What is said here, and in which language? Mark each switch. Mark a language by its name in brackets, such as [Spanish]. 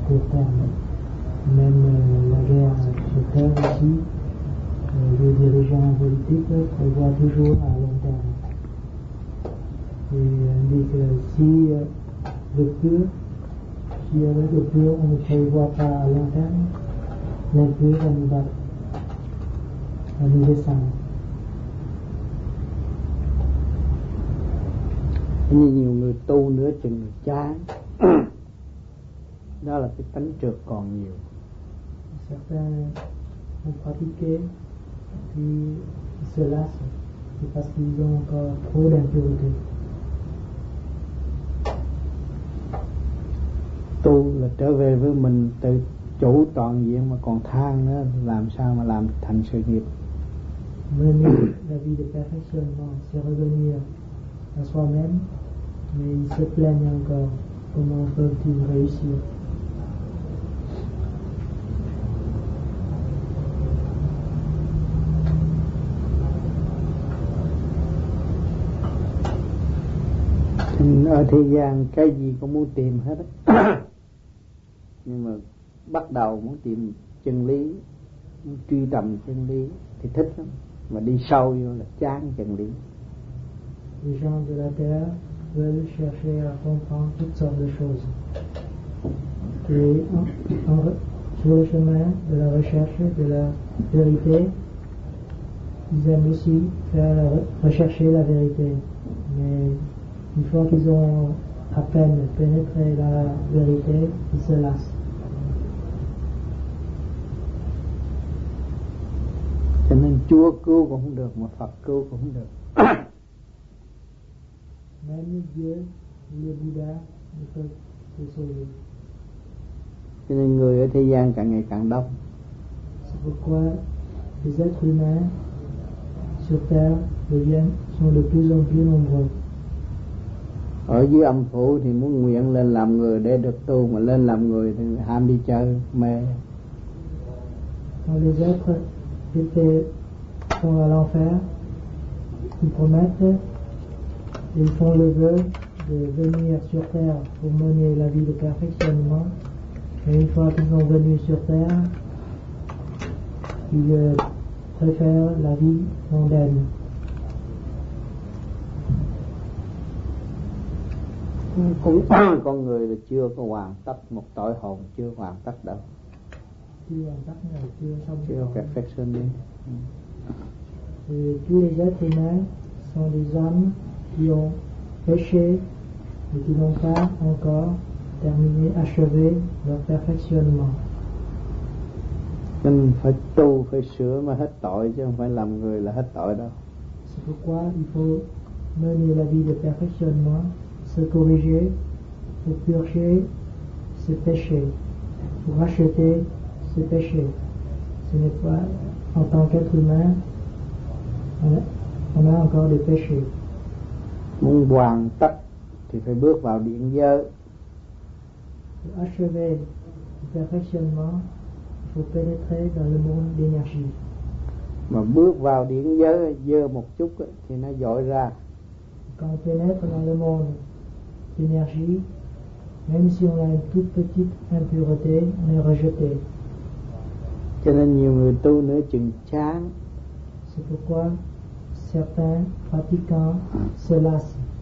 [French] Même la guerre se perd aussi, le dirigeant politique prévoit toujours à long terme. Et il dit que si le peu, si avec le peu on ne prévoit pas à long terme, l'impur va nous battre, va nous descendre. Il y a [Vietnamese] nhiều người tu nữa chừng người chán. Đó là cái tánh trượt còn nhiều. [French] Certains ont pratiqué puis ils se lassent, c'est parce qu'ils ont encore trop d'impureté. [Vietnamese] Tu là trở về với mình tự chủ toàn diện mà còn than nữa, làm sao mà làm thành sự nghiệp? [French] Mener la vie de perfectionnement, c'est revenir à soi-même, mais ils se plaignent encore. Comment peuvent-ils réussir? [Vietnamese] Ở thế gian cái gì cũng muốn tìm hết nhưng mà bắt đầu muốn tìm chân lý, muốn truy tầm chân lý thì thích lắm, mà đi sâu vô là chán chân lý. [French] Les gens de la terre veulent chercher à comprendre toutes sortes de choses. Et sur le chemin de la recherche de la vérité, ils aiment aussi faire rechercher la vérité, mais une fois qu'ils ont à peine pénétré la vérité, ils se lassent. [Vietnamese] Cho nên Chúa cứu cũng không được, mà Phật cứu cũng không được. [French] Même Dieu, le Bouddha, ne peut te sauver. [Vietnamese] Cho nên người ở thế gian càng ngày càng đông. [French] C'est pourquoi les êtres humains sur terre deviennent sont de plus en plus nombreux. [Vietnamese] Ở dưới âm phủ thì muốn nguyện lên làm người để được tu, mà lên làm người thì ham đi chơi mê. [French] Quand les êtres qui sont à l'enfer, ils promettent, ils font le vœu de venir sur terre pour mener la vie de perfectionnement. Et une fois qu'ils sont venus sur terre, ils préfèrent la vie mondaine. [Vietnamese] Con người là chưa có hoàn tất một tội hồn, chưa hoàn tất đâu. Chưa hoàn tất là chưa xong. Chưa perfection đi. [French] Tous les êtres humains sont des hommes qui ont péché et qui n'ont pas encore terminé, achevé leur perfectionnement. [Vietnamese] Nên phải tu, phải sửa mới hết tội, chứ không phải làm người là hết tội đâu. [French] C'est pourquoi il faut mener la vie de perfectionnement, se corriger, pour purger ses péchés, pour racheter ses péchés. Ce n'est pas, en tant qu'être humain, on a encore des péchés. [Vietnamese] Muốn hoàn tất thì phải bước vào điện giới. [French] Pour achever le perfectionnement, il faut pénétrer dans le monde d'énergie. [Vietnamese] Mà bước vào điện giới dơ một chút thì nó dội ra. [French] Quand on pénètre dans le monde d'énergie, même si on a une toute petite impureté, on est rejeté. [Vietnamese] Cho nên nhiều người tu nữa chừng chán. [French] C'est pourquoi certains pratiquants se lassent.